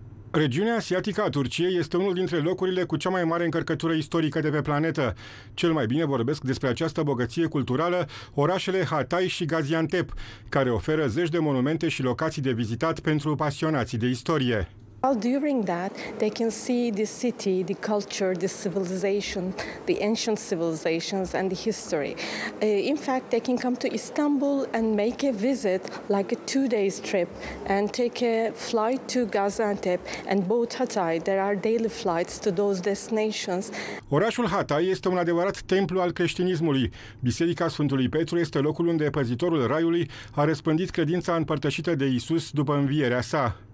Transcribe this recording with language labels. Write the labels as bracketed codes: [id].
[ro] Regiunea asiatică a Turciei este unul dintre locurile cu cea mai mare încărcătură istorică de pe planetă. Cel mai bine vorbesc despre această bogăție culturală orașele Hatay și Gaziantep, care oferă zeci de monumente și locații de vizitat pentru pasionații de istorie. [en] While during that, they can see the city, the culture, the civilization, the ancient civilizations and the history. In fact, they can come to Istanbul and make a visit, like a 2 days trip, and take a flight to Gaziantep and both Hatay. There are daily flights to those destinations. [ro] Orașul Hatay este un adevărat templu al creștinismului. Biserica Sfântului Petru este locul unde păzitorul Raiului a răspândit credința împărtășită de Iisus după învierea sa.